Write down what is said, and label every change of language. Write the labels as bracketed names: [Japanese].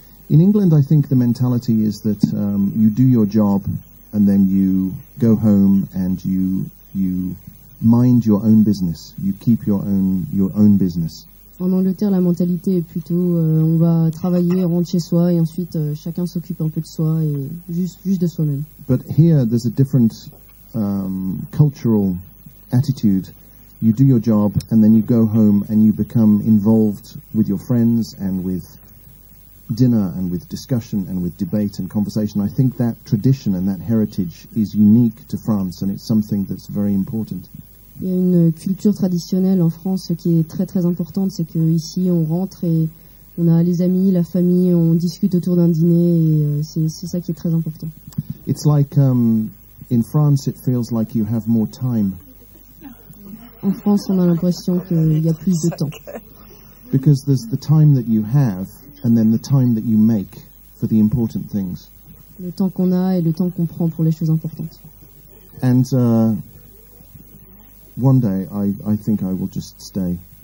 [English] In England, I think the mentality is that you do your job and then you go home and you mind your own business. You keep your own business. [French] En Angleterre, la mentalité est plutôt on va travailler, rentre chez soi et ensuite chacun s'occupe un peu de soi et juste de soi-même. [English] But here, there's a different cultural attitude. You do your job and then you go home and you become involved with your friends and with dinner and with discussion and with debate and conversation. I think that tradition and that heritage is unique to France and it's something that's very important. [French] Il y a une culture traditionnelle en France qui est très très importante, c'est que ici on rentre et on a les amis, la famille, on discute autour d'un dîner et c'est ça qui est très important. [English] It's like in France it feels like you have more time. [French] En France on a l'impression qu'il y a plus de temps. [English] Because there's the time that you have and then the time that you make for the important things. [French] Le temps qu'on a et le temps qu'on prend pour les choses importantes. [English] And one day I think I will just stay.